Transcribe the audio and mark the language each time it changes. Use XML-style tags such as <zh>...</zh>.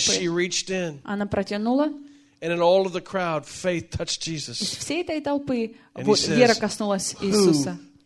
<en>She reached in.</en> <ru>Она протянула.</ru> <en>And in all of the crowd, faith touched Jesus.</en> <ru>Из всей этой толпы вера коснулась Иисуса.</ru>